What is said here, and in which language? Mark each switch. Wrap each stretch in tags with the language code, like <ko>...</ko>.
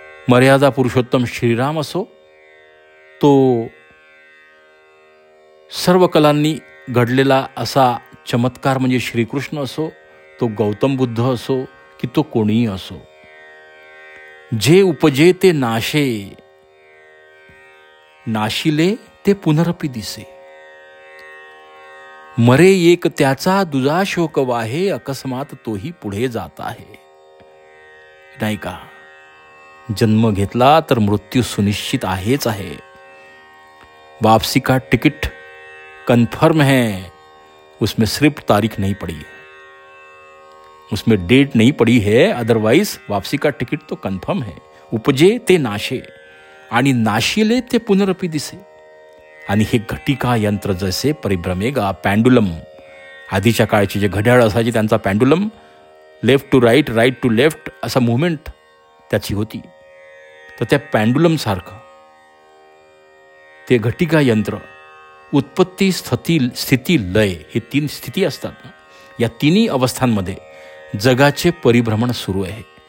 <mr>मर्यादा पुरुषोत्तम श्रीराम असो, तो सर्व कलांनी घडलेला असा चमत्कार म्हणजे श्रीकृष्ण असो, तो गौतम बुद्ध असो की तो कोणीही असो, जे उपजे ते नाशे, नाशिले ते पुनरपि दिसे, मरे एक त्याचा दुजा शोक वाहे, अकस्मात तोही पुढे जात आहे. नाही का, जन्म घेतला तर मृत्यू सुनिश्चित आहेच आहे,</mr> <hi>वापसी का टिकट कन्फर्म है, उसमें सिर्फ तारीख नहीं पड़ी, उसमें डेट नहीं पड़ी है, अदरवाइज वापसी का टिकट तो कन्फर्म है.</hi> <mr>उपजे ते नाशे, आणि नाशिले ते पुनरपि दिसे, आणि हे घटिका यंत्र जसे परिभ्रमेगा. पॅन्डुलम, आधीच्या काळची जे घड्याळ असायचे त्यांचा पॅन्डुलम,</mr> <en>left to right, right to left</en> <mr>असा मुवमेंट त्याची होती, तर त्या पॅन्डुलम सारखं ते घटिका यंत्र, उत्पत्ती, स्थिती, स्थिती, लय, हे तीन स्थिती असतात, या तिन्ही अवस्थांमध्ये जगाचे परिभ्रमण सुरू आहे.</mr>